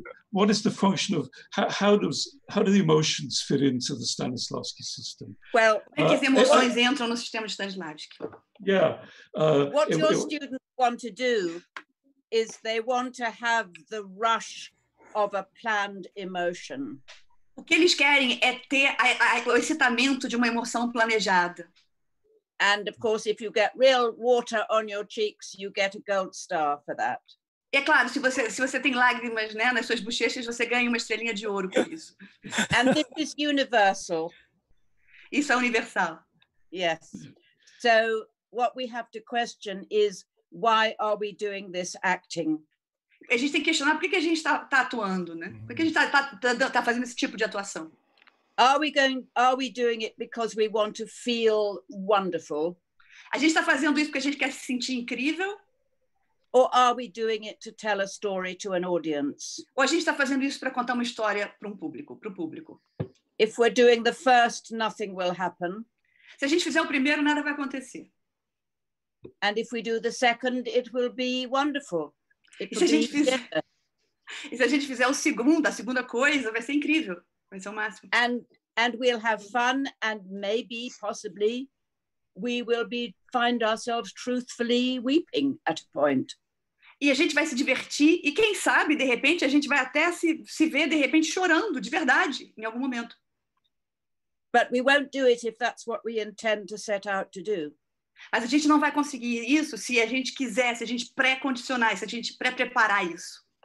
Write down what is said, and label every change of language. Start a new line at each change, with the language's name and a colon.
English: What is the function of how do the emotions fit into the Stanislavski system?
Portuguese: Well, as emoções entram no sistema Stanislavski.
English: Yeah. Students want to do is they want to have the rush of a planned emotion.
Portuguese: O que eles querem é ter o excitamento de uma emoção planejada.
English: And of course, if you get real water on your cheeks, you get a gold star for that.
Portuguese: E é claro, se você tem lágrimas, né, nas suas bochechas, você ganha uma estrelinha de ouro por isso.
English: And this is universal.
Portuguese: Isso é universal.
English: Yes. So what we have to question is, why are we doing this acting?
Portuguese: A gente tem que questionar por que a gente está atuando, né? Por que a gente está fazendo esse tipo de atuação?
English: Are we doing it because we want to feel wonderful?
Portuguese: A gente está fazendo isso porque a gente quer se sentir incrível?
English: Or are we doing it to tell a story to an audience?
Portuguese: Ou a gente está fazendo isso para contar uma história para público, para o público?
English: If we're doing the first, nothing will happen.
Portuguese: Se a gente fizer o primeiro, nada vai acontecer.
English: And if we do the second, it will be wonderful.
Portuguese: E se a gente fizer o segundo, a segunda coisa, vai ser incrível. Vai ser o máximo.
English: And we'll have fun, and maybe, possibly, we will find ourselves truthfully weeping at a point.
Portuguese: E a gente vai se divertir, e quem sabe, de repente, a gente vai até se ver, de repente, chorando, de verdade, em algum momento.
English: But we won't do it if that's what we intend to set out to do.
Portuguese: Mas a gente não vai conseguir isso se a gente quiser, se a gente pré-condicionar, se a gente pré-preparar isso.